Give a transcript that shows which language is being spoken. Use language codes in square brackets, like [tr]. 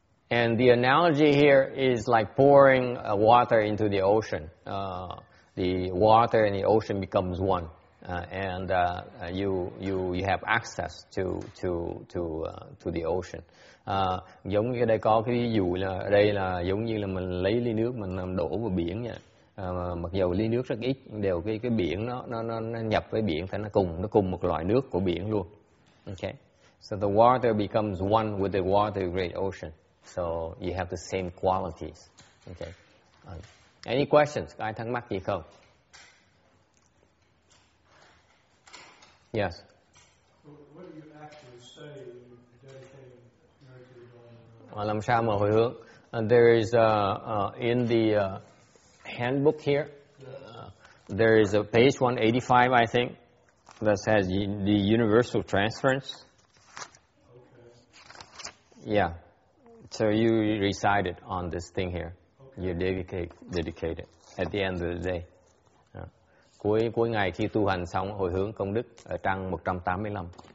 [en] And the analogy here is like pouring water into the ocean. The water and the ocean becomes one, and you have access to the ocean. [vi] Giống như đây có cái ví dụ là đây là giống như là mình lấy ly nước mình đổ vào biển vậy. Mặc dù ly nước rất ít, đều cái biển nó nhập với biển, thành nó cùng một loại nước của biển luôn. [en] Okay, so the water becomes one with the water of the great ocean. So you have the same qualities. Okay. Any questions? [vi] Ai thắc mắc gì không? [en] Yes. What do you actually say when you dedicate to the Dharma? [vi] Làm sao mà hồi hướng? [en] There is in the handbook here. There is a page 185, I think, that says the universal transference. Okay. Yeah. So you recite it on this thing here. Okay. You dedicate it at the end of the day. [vi] Cuối ngày khi tu hành xong hồi hướng công đức ở trang 185.